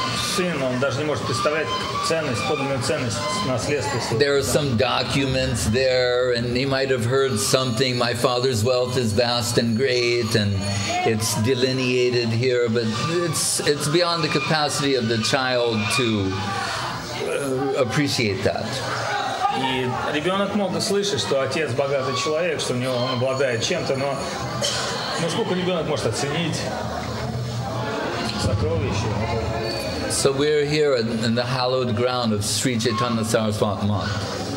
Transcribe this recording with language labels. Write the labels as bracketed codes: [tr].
[ru] сын, он даже не может представлять ценность, подлинную ценность наследства. [en] There are some documents there, and he might have heard something. My father's wealth is vast and great, and it's delineated here, but it's beyond the capacity of the child to appreciate that. [ru] И ребенок мог слышать, что отец богатый человек, что у него он обладает чем-то, но сколько ребенок может оценить сокровища? [en] So we're here in the hallowed ground of Shri Chaitanya Sarasvat Matha.